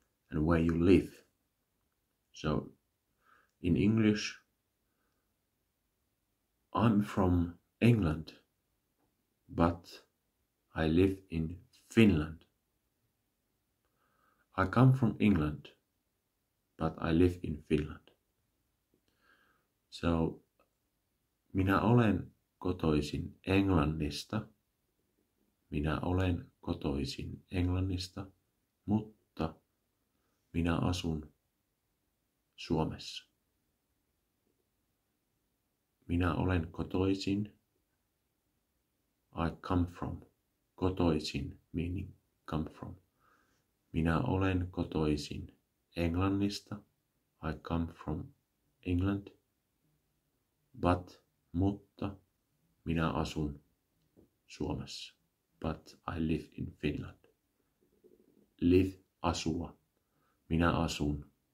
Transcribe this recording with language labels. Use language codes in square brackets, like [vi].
[en] And where you live? So, in English, I'm from England, but I live in Finland. I come from England, but I live in Finland. [fi] So, minä olen kotoisin Englannista. Minä olen kotoisin Englannista, mutta minä asun Suomessa. Minä olen kotoisin. [en] I come from. Kotoisin, meaning come from. [fi] Minä olen kotoisin Englannista. [en] I come from England. But, [fi] mutta, minä asun Suomessa. [en] But I live in Finland. Live, asua. [fi] Minä asun.